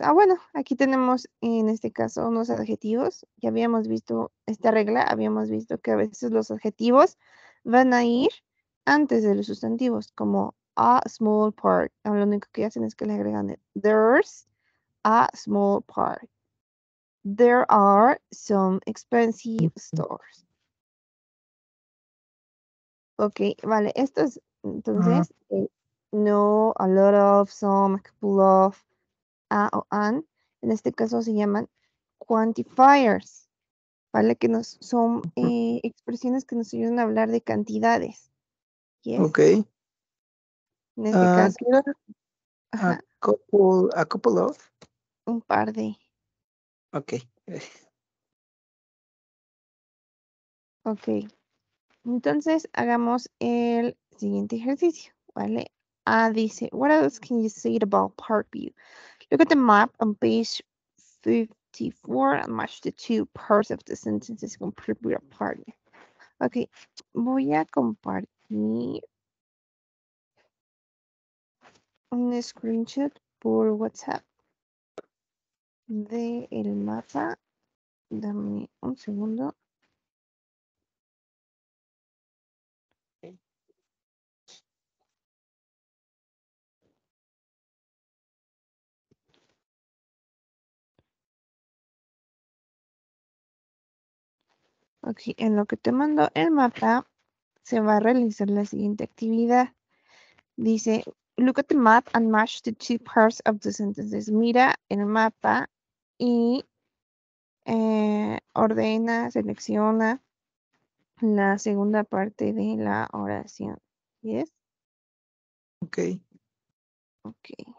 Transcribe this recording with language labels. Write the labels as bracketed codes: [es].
[es] Ah, bueno, aquí tenemos en este caso unos adjetivos. Ya habíamos visto esta regla, habíamos visto que a veces los adjetivos van a ir antes de los sustantivos, como [en] a small park. [es] Lo único que hacen es que le agregan it. [en] There's a small park. There are some expensive stores. [es] Ok, vale, esto es entonces no, a lot of, some, a couple of, a o an, en este caso se llaman quantifiers, ¿vale? Que nos son expresiones que nos ayudan a hablar de cantidades. [en] Yes. Ok. [es] En este caso. [en] A couple of. [es] Un par de. Ok. Ok. Entonces, hagamos el siguiente ejercicio, ¿vale? Dice, [en] what else can you say about Parkview? Look at the map on page 54 and match the two parts of the sentences compared with a partner. [es] Ok, voy a compartir un screenshot por WhatsApp del mapa. Dame un segundo. Ok, en lo que te mando el mapa, se va a realizar la siguiente actividad. Dice, [en] look at the map and match the two parts of the sentences. [es] Mira el mapa y ordena, selecciona la segunda parte de la oración. [en] ¿Yes? Ok. Ok.